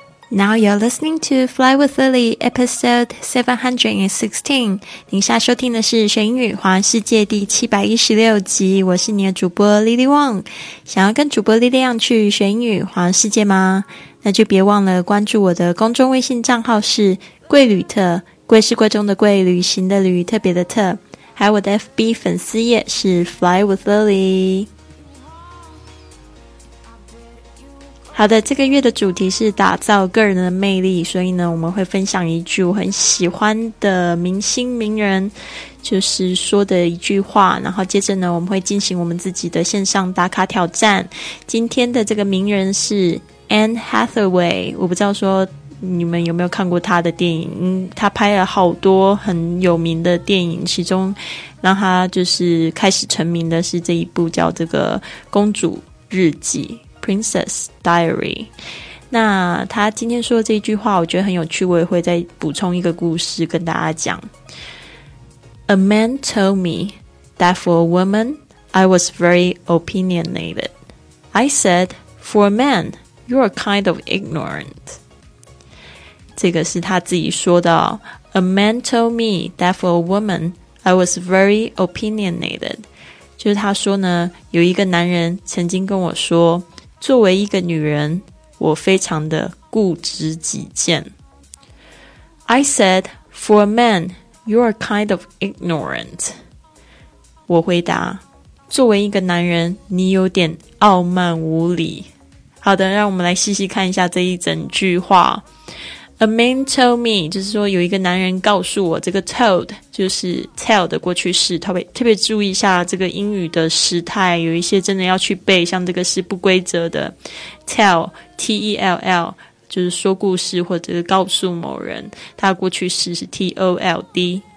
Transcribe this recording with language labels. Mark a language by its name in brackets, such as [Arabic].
[English] Now you're listening to Fly with Lily, episode 716. [Chinese] 您现在收听的是《学英语环游世界》第716集。我是你的主播 Lily Wang。想要跟主播 Lily Wang 去学英语环游世界吗？那就别忘了关注我的公众微信账号是“贵旅特”，贵是贵中的贵，旅行的旅，特别的特。还有我的 FB 粉丝页是 Fly with Lily。好的，这个月的主题是打造个人的魅力，所以呢，我们会分享一句我很喜欢的明星名人就是说的一句话，然后接着呢，我们会进行我们自己的线上打卡挑战。今天的这个名人是 Anne Hathaway， 我不知道说你们有没有看过他的电影，他拍了好多很有名的电影，其中让他就是开始成名的是这一部叫这个《公主日记》Princess Diary。那他今天说的这一句话我觉得很有趣，我也会再补充一个故事跟大家讲。 [English] A man told me that for a woman I was very opinionated. I said, for a man, you are kind of ignorant. [Chinese] 这个是他自己说的、哦、 [English] A man told me that for a woman I was very opinionated. [Chinese] 就是他说呢，有一个男人曾经跟我说，作为一个女人，我非常的固执己见。 [English] I said, for a man, you are kind of ignorant. [Chinese] 我回答，作为一个男人，你有点傲慢无礼。好的，让我们来细细看一下这一整句话。 [English] A man told me, [Chinese] 就是说有一个男人告诉我，这个 told 就是 tell 的过去式，特别注意一下这个英语的时态，有一些真的要去背，像这个是不规则的 tell, T-E-L-L 就是说故事或者是告诉某人，它的过去式是 T-O-L-D。